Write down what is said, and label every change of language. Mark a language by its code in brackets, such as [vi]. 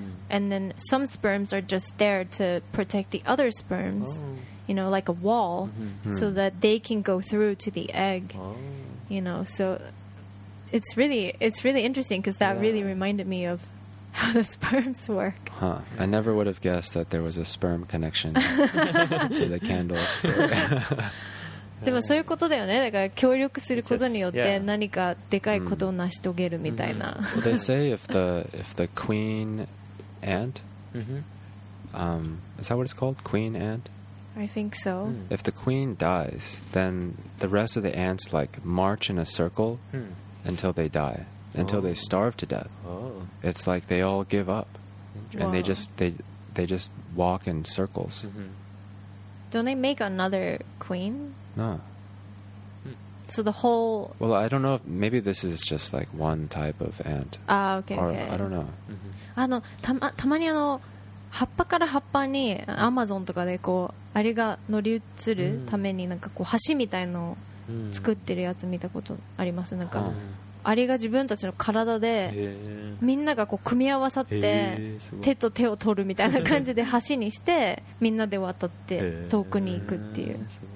[en] And then some sperms are just there to protect the other sperms, you know, like a wall, so that they can go through to the egg. You know, so it's really interesting, because that really reminded me of how the sperms work. Huh. I never would have guessed that there was a sperm connection to the candle. So. [ja] でもそういうことだよね。だから協力することによって何かでかいことを成し遂げるみたいな。 [en] Well, they say if the queen ant, is that what it's called? Queen ant? I think so. If the queen dies, then the rest of the ants like march in a circle until they die, until they starve to death. It's like they all give up, and they just walk in circles. Don't they make another queen? No. So the whole... Well, I don't know. If maybe this is just like one type of ant. Ah, okay. Or, okay. I don't know. [ja] たまに葉っぱから葉っぱにアマゾンとかでこうアリが乗り移るためになんかこう橋みたいのを作ってるやつ見たことあります。なんかアリが自分たちの体でみんながこう組み合わさって手と手を取るみたいな感じで橋にしてみんなで渡って遠くに行くっていう。